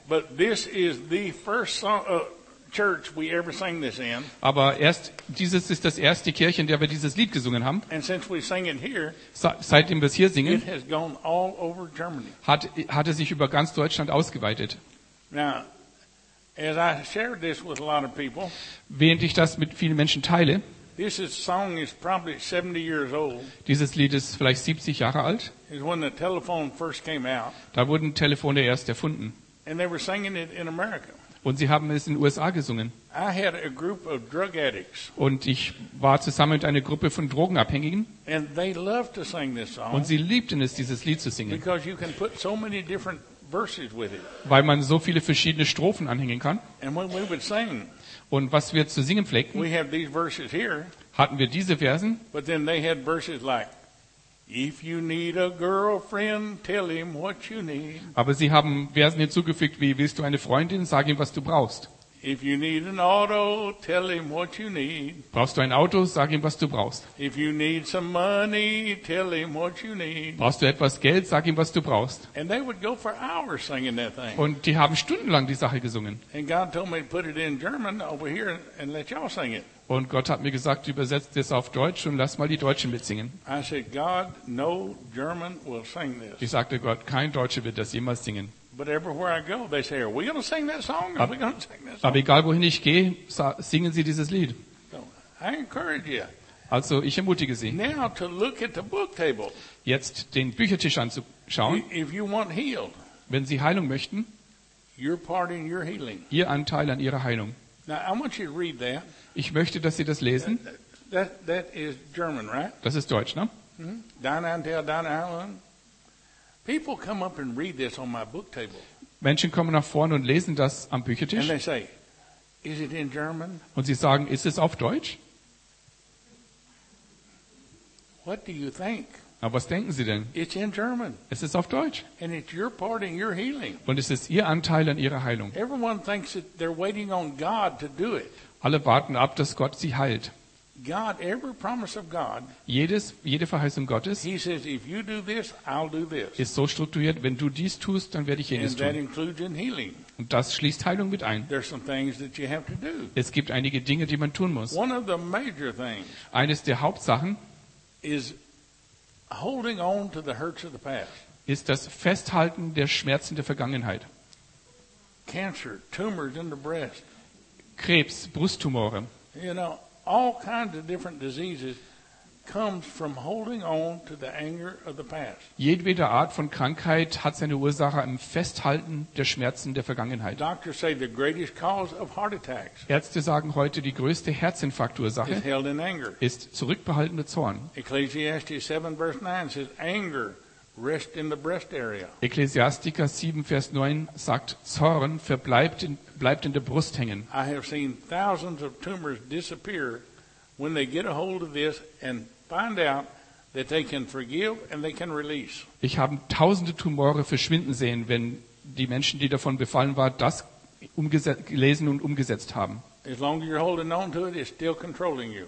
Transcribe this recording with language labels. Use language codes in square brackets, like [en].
[en] But this is the first song, church we ever sang this in. [de] Aber erst dieses ist das erste Kirche, in der wir dieses Lied gesungen haben. [en] And since we sang it here, [de] seitdem wir es hier singen, [en] it has gone all over Germany. [de] Hat es sich über ganz Deutschland ausgeweitet. [en] Now, as I shared this with a lot of people, [de] während ich das mit vielen Menschen teile, [en] this song is probably 70 years old. [de] Dieses Lied ist vielleicht 70 Jahre alt. [en] Is when the telephone first came out. [de] Da wurden Telefone erst erfunden. [en] And they were singing it in America. [de] Und sie haben es in den USA gesungen. [en] I had a group of drug addicts. [de] Und ich war zusammen mit einer Gruppe von Drogenabhängigen. [en] And they loved to sing this song. [de] Und sie liebten es, dieses Lied zu singen. [en] Because you can put so many different verses with it. [de] Weil man so viele verschiedene Strophen anhängen kann. [en] And when we would sing, [de] und was wir zu singen pflegten, [en] we have these verses here, [de] hatten wir diese Versen. [en] But then they had verses like, if you need a girlfriend, tell him what you need. [de] Aber sie haben Versen hinzugefügt wie, willst du eine Freundin, sag ihm, was du brauchst. [en] If you need an auto, tell him what you need. [de] Brauchst du ein Auto, sag ihm, was du brauchst. [en] If you need some money, tell him what you need. [de] Brauchst du etwas Geld, sag ihm, was du brauchst. [en] And they would go for hours singing that thing. [de] Und die haben stundenlang die Sache gesungen. [en] And God told me to put it in German over here and let y'all sing it. [de] Und Gott hat mir gesagt, übersetzt das auf Deutsch und lass mal die Deutschen mitsingen. [en] I said, God, no German will sing this. [de] Ich sagte Gott, kein Deutscher wird das jemals singen. [en] But everywhere I go, they say, are we going to sing that song? Are we going to sing that song? [de] Aber egal wohin ich gehe, singen sie dieses Lied. [en] So, I encourage you. [de] Also ich ermutige sie. [en] Now to look at the book table. [de] Jetzt den Büchertisch anzuschauen. [en] If you want healed, [de] wenn sie Heilung möchten, [en] your part in your healing. [de] Ihr Anteil an ihrer Heilung. [en] Now I want you to read that. [de] Ich möchte, dass Sie das lesen. [en] That is German, right? [de] Das ist Deutsch, ne? Mm-hmm. Dein Anteil, dein Heilung. [en] People come up and read this on my book table. [de] Menschen kommen nach vorne und lesen das am Büchertisch. [en] And they say, is it in German? [de] Und sie sagen, ist es auf Deutsch? [en] What do you think? [de] Na, was denken Sie denn? [en] It's in German. [de] Es ist auf Deutsch. [en] And it's your part in your healing. [de] Und es ist Ihr Anteil an Ihrer Heilung. [en] Everyone thinks that they're waiting on God to do it. [de] Alle warten ab, dass Gott sie heilt. [en] God, every promise of God, [de] jede Verheißung Gottes, [en] he says, if you do this, I'll do this. [de] Ist so strukturiert, wenn du dies tust, dann werde ich jenes [en] and that [de] tun. [en] Includes in healing. [de] Und das schließt Heilung mit ein. [en] There's some things that you have to do. [de] Es gibt einige Dinge, die man tun muss. [en] One of the major things, [de] eines der Hauptsachen [en] is holding on to the hurts of the past. [de] Ist das Festhalten der Schmerzen der Vergangenheit. [en] Cancer, tumors in the breast. [de] Krebs, Brusttumore. [en] You know, all kinds of different diseases comes from holding on to the anger of the past. [de] Jedwede Art von Krankheit hat seine Ursache im Festhalten der Schmerzen der Vergangenheit. [en] Doctors say the greatest cause of heart attacks. [de] Ärzte sagen heute, die größte Herzinfarktursache [en] is held in anger. [de] Ist zurückbehaltener Zorn. [en] Ecclesiastes 7 verse 9 says anger rest in the breast area. [de] Ekklesiastiker 7 Vers 9 sagt, Zorn bleibt in der Brust hängen. [en] I have seen thousands of tumors disappear when they get a hold of this and find out that they can forgive and they can release. [de] Ich habe tausende Tumore verschwinden sehen, wenn die Menschen, die davon befallen waren, das gelesen und umgesetzt haben. [en] As long as you're holding on to it, it's still controlling you.